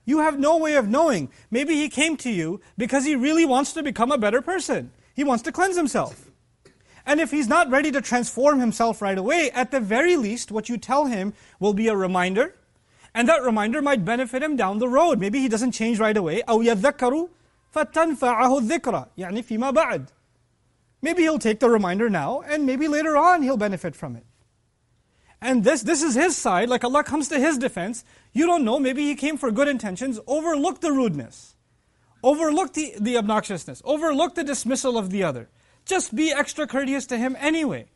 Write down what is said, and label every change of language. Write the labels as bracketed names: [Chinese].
[English] You have no way of knowing. Maybe he came to you because he really wants to become a better person. He wants to cleanse himself. And if he's not ready to transform himself right away, at the very least, what you tell him will be a reminder. And that reminder might benefit him down the road. Maybe he doesn't change right away. [Arabic] أَوْ يَذَّكَّرُ فَتَنْفَعَهُ الذِّكْرَى يعني فيما بعد. [English] Maybe he'll take the reminder now, and maybe later on he'll benefit from it. And this is his side, like Allah comes to his defense. You don't know, maybe he came for good intentions. Overlook the rudeness. Overlook the obnoxiousness. Overlook the dismissal of the other. Just be extra courteous to him anyway.